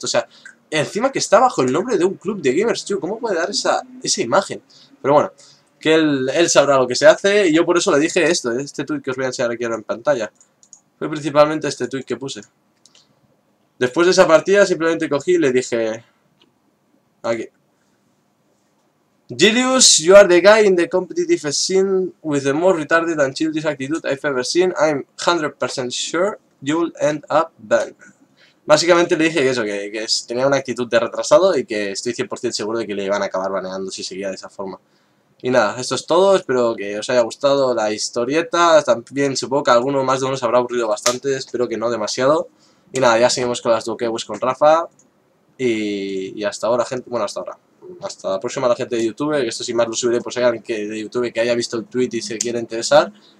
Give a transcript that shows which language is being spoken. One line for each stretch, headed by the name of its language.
Spanish: O sea, encima que está bajo el nombre de un club de gamers, tío, ¿cómo puede dar esa imagen? Pero bueno, que él sabrá lo que se hace. Y yo por eso le dije esto, este tweet que os voy a enseñar aquí ahora en pantalla. Fue principalmente este tweet que puse. Después de esa partida simplemente cogí y le dije... aquí.
English: Gilius, you are the guy in the competitive scene with the most retarded and childish attitude I've ever seen. I'm 100% sure you'll end up banned.
Spanish: Básicamente le dije eso, que tenía una actitud de retrasado y que estoy 100% seguro de que le iban a acabar baneando si seguía de esa forma. Y nada, esto es todo, espero que os haya gustado la historieta, también supongo que alguno más de uno se habrá aburrido bastante, espero que no demasiado. Y nada, ya seguimos con las Dokewes con Rafa, y hasta ahora gente, bueno hasta ahora, hasta la próxima la gente de YouTube, que esto sin más lo subiré por si hay alguien de YouTube que haya visto el tweet y se quiere interesar.